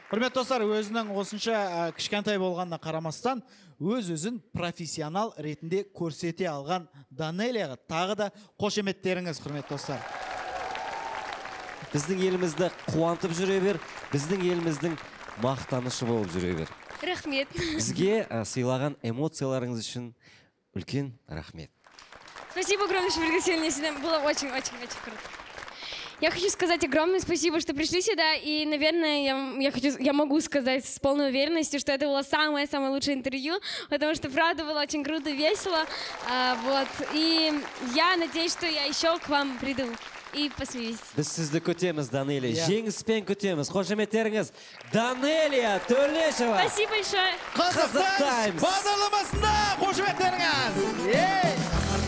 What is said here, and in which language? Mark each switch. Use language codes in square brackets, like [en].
[kk] Құрмет достар, өзінің осынша кішкентай болғанына қарамастан, өз-өзін профессионал ретінде көрсете алған Данэлияға тағы да қошеметтеріңіз, құрмет достар. Біздің елімізді қуантып жүре бер, біздің еліміздің мақтанышы болып жүре бер. Рахмет. Бізге сыйлаған эмоцияларыңыз үшін үлкен рахмет. [ru] Спасибо огромное, что пригласили меня. Было очень-очень-очень круто. Я хочу сказать огромное спасибо, что пришли сюда, и, наверное, я могу сказать с полной уверенностью, что это было самое-самое лучшее интервью, потому что, правда, было очень круто, весело, вот, и я надеюсь, что я еще к вам приду и посмеюсь. [kk] Біз сізді көтеміз, Данэлия. Женіспен көтеміз. Қошеметтеріңіз, Данэлия Төлешова. [ru] Спасибо большое. [kk] Қазақстан Таймс. Бағдарламасында қошеметтеріңіз.